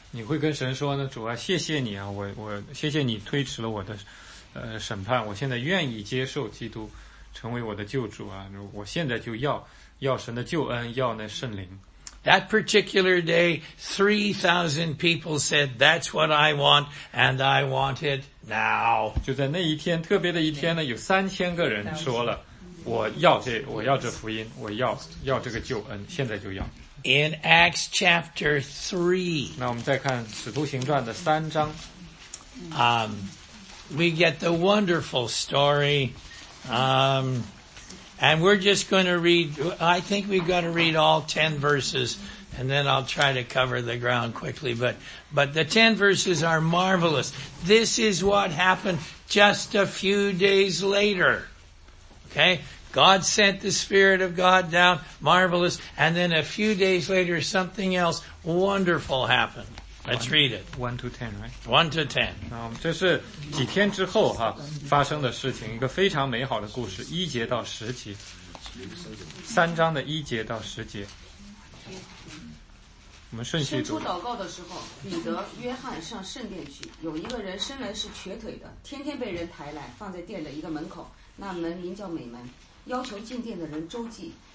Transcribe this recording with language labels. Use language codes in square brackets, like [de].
[zh] 你会跟神说呢，主啊，谢谢你啊，我谢谢你推迟了我的审判，我现在愿意接受基督成为我的救主啊，我现在就要神的救恩，要那圣灵。 [en] That particular day, 3,000 people said, that's what I want, and I want it now. [zh] 就在那一天，特别的一天呢，有3,000个人说了，我要这福音，我要这个救恩，现在就要。 [en] In Acts chapter 3. [zh] 那我们再看使徒行传的三章。 [en] We get the wonderful story. And we're just going to read, I think we've got to read all 10 verses, and then I'll try to cover the ground quickly. But the 10 verses are marvelous. This is what happened just a few days later. Okay? God sent the Spirit of God down, marvelous, and then a few days later, something else wonderful happened. Let's read it. 1 to 10, right? 1 to 10. [zh] 这是几天之后哈发生的事情，一个非常美好的故事，一节到十节，三章的一节到十节。我们顺序读。伸出祷告的时候，彼得、约翰上圣殿去，有一个人生来是瘸腿的，天天被人抬来，放在殿的一个门口，那门名叫美门，要求进殿的人周济。